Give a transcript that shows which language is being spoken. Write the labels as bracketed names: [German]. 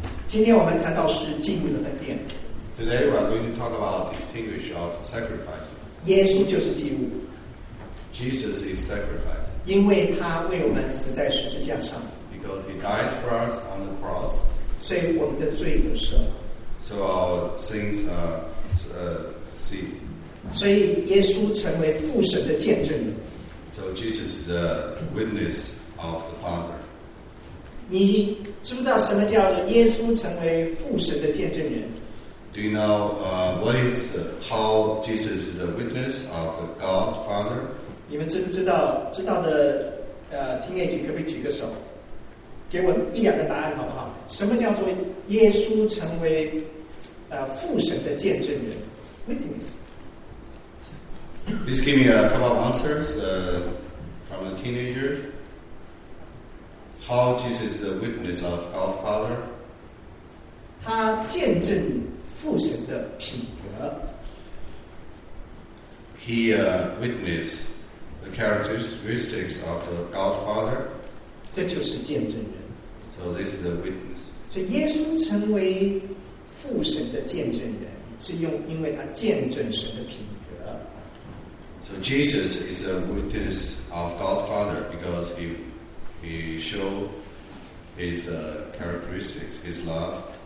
[Chinese] 今天我们谈到是进一的分辨。 [English] Today we are going to talk about distinguish of sacrifice. [Chinese] 耶稣就是祭物。 [English] Jesus is sacrifice. [Chinese] 因为他为我们死在十字架上。 [English] Because he died for us on the cross. [Chinese] 所以我们的罪得赦。 [English] So our sins are seen. [Chinese] 所以耶稣成为父神的见证人。 [English] So Jesus is a witness of the Father. [Chinese] 你知不知道什么叫耶稣成为父神的见证人？ [English] Do you know how Jesus is a witness of the God Father? [Chinese] 你们知不知道？知道的，teenage 可不可以举个手？给我一两个答案好不好？什么叫做耶稣成为父神的见证人 ？Witness. [English] Please give me a couple of answers from the teenagers. How Jesus is a witness of God Father? [Chinese] 他见证父神的品格。 [English] He witnessed the characteristics of the God Father. [Chinese] 这就是见证人。 [English] So this is a witness. [Chinese] 所以耶稣成为父神的见证人，是用因为他见证神的品格。 [English] So Jesus is a witness of God Father because he showed his characteristics, his love.